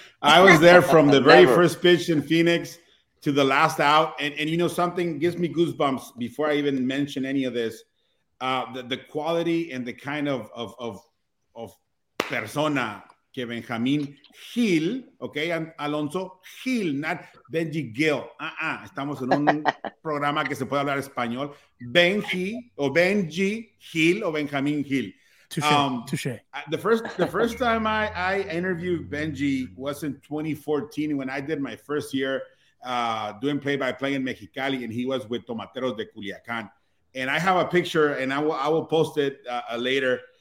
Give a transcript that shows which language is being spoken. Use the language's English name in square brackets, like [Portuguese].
[English] I was there from the very first pitch in Phoenix to the last out, and you know something gives me goosebumps before I even mention any of this, the quality and the kind of [Spanish] persona que [English] Benjamín Gil, okay, and Alonso Gil, not Benji Gil. [Spanish] Estamos en un programa que se puede hablar español. Benji Gil o Benjamín Gil. [English] Touché. The first time I interviewed Benji was in 2014 when I did my first year. Doing play-by-play in Mexicali, and he was with Tomateros de Culiacán. And I have a picture, and I will post it later.